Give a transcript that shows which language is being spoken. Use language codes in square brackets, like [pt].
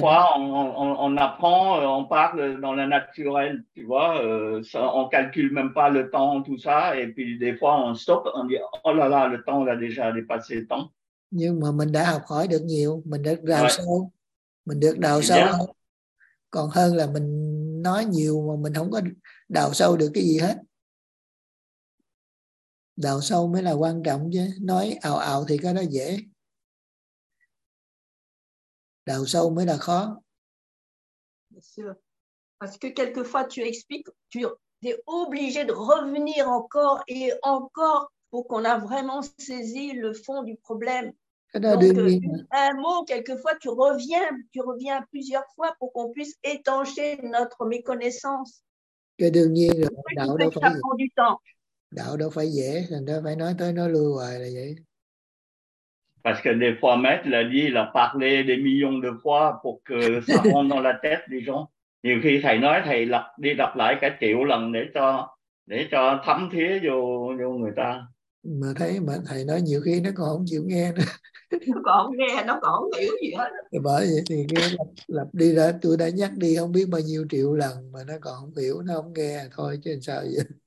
[fr] fois on apprend, on parle dans la naturelle, tu vois, on calcule même pas le temps tout ça, et puis des fois on stop, on dit oh là là, le temps là déjà dépassé le temps. [vi] Nhưng mà mình đã học hỏi được nhiều, mình đã làm sao. Mình được đào sâu hơn. Còn hơn là mình nói nhiều mà mình không có đào sâu được cái gì hết. Đào sâu mới là quan trọng chứ. Nói ào ào thì cái đó dễ. Đào sâu mới là khó. [fr] Parce que quelquefois tu expliques, tu es obligé de revenir encore et encore pour qu'on a vraiment saisi le fond du problème. Donc, un mot, quelquefois, tu reviens plusieurs fois pour qu'on puisse étancher notre méconnaissance. [vi] Que đương nhiên, đạo đâu phải dễ. Đạo đâu phải dễ, thành ra phải nói tới nó lưu hoài là vậy. [fr] Parce que des fois, maître l'a dit, il a parlé des millions de fois pour que ça rentre dans la tête des gens. [vi] Nhiều khi thầy nói, thầy đi đọc lại cả triệu lần để cho thấm thía vô người ta. Mà thấy mà thầy nói nhiều khi nó còn không chịu nghe nữa. Nó còn không nghe, nó còn không hiểu gì hết. Bởi vậy thì lập đi ra, tôi đã nhắc đi không biết bao nhiêu triệu lần mà nó còn không hiểu, nó không nghe thôi chứ sao vậy.